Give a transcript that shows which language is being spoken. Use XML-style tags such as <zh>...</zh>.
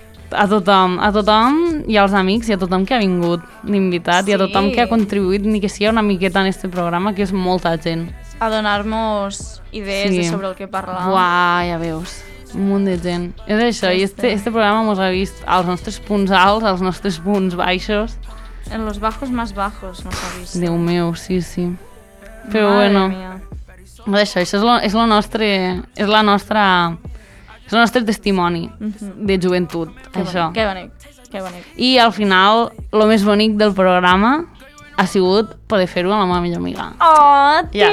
<ca>A tothom i als amics i a tothom que ha vingut d'invitat i a tothom que ha contribuït ni que sigui una miqueta en este programa, que és molta gent. A donar-nos idees de sobre el que parlar. Uau, ja veus, un munt de gent. És això, sí, i este programa mos ha vist als nostres punts alts, als nostres punts baixos.</ca> <es>En los bajos más bajos</es> <ca>mos ha vist. Déu meu, sí. Però</ca> <es>madre bueno, mía.</es> <ca>És això és lo nostre, és la nostra... És el nostre testimoni de joventut, això. Que bonic. I al final, el més bonic del programa ha sigut poder fer-ho amb la meva millor amiga. Oh, tia!</ca>